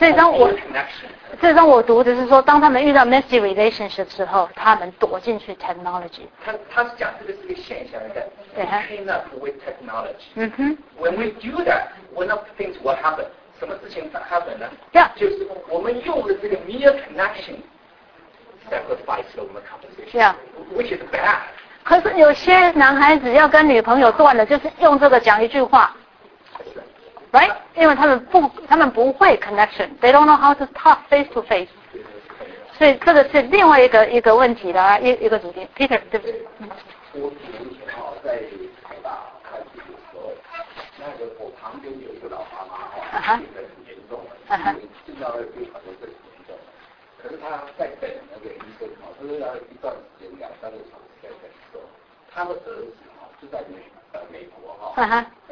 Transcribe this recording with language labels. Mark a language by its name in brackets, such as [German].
[Chinese] 我这张我读的是说，当他们遇到 messy relationship 的时候，他们躲进去 technology。他是讲这个是一个现象的，对 [English] 哈。Train up with technology。嗯哼。 When we do that, one of the things will happen. [Chinese] 什么事情 happen 呢？ [English] Yeah. [Chinese] 就是我们用了这个 mere connection sacrifice 了我们 conversation. [English] Yeah. Which is bad. [Chinese] 可是有些男孩子要跟女朋友断了，就是用这个讲一句话。 [English] Right? [Chinese] 因为他们不会 [English] connection, they don't know how to talk face to face. [Chinese] 所以这个是另外一个问题的一个主题。 Peter, 对不对？我以前在台大看书的时候，那个我旁边有一个老妈妈哈，现在很严重了，进到病房就很严重。可是她在等那个医生哈，就是要一段时间两三个小时在等的时候，她的儿子哈就在美国哈。